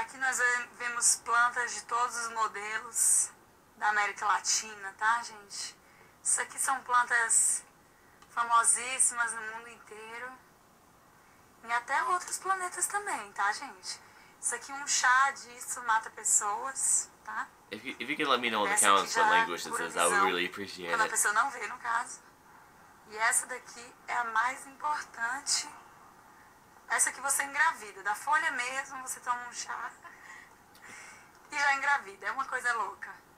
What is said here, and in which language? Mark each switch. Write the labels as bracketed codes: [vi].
[pt] Aqui nós vemos plantas de todos os modelos da América Latina, tá, gente? Isso aqui são plantas famosíssimas no mundo inteiro. E até outros planetas também, tá, gente? Isso aqui, um chá disso mata pessoas, tá? [en] If you can let me know in the comments what language this is, I would really appreciate it. [pt] Quando a pessoa não vê, no caso. E essa daqui é a mais importante. Essa aqui você engravida, da folha mesmo, você toma um chá e já engravida, é uma coisa louca.